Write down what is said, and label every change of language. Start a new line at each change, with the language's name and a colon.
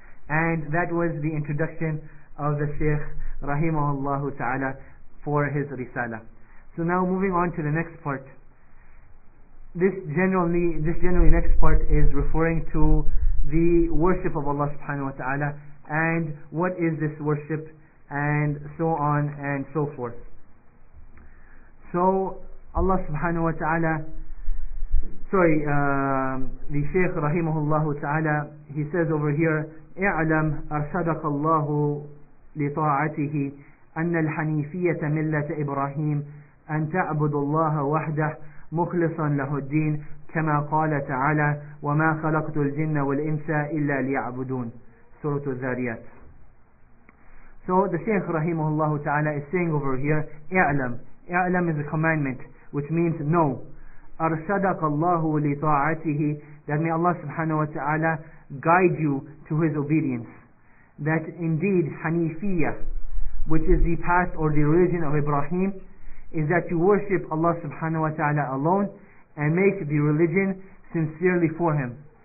English: And that was the introduction of the Shaykh rahimahullahu ta'ala for his risala. So now moving on to the next part. This generally next part is referring to the worship of Allah subhanahu wa ta'ala, and what is this worship, and so on and so forth. So Allah subhanahu wa ta'ala, the Shaykh rahimahullahu ta'ala, he says over here,
Arabic: اعلم أرشدك الله لطاعته أن الحنيفية ملة إبراهيم أن تعبد الله وحده مخلصا له الدين كما قال تعالى وما خلقت الجن والإنس إلا ليعبدون سورة الذاريات.
English: So the Shaykh rahimahullah ta'ala is saying over here, I'alam is a commandment, which means no.
Arabic: أرشدك الله لطاعته,
English: that may Allah subhanahu wa ta'ala guide you to His obedience. That indeed Hanifiyah, which is the path or the religion of Ibrahim, is that you worship Allah subhanahu wa ta'ala alone and make the religion sincerely for Him.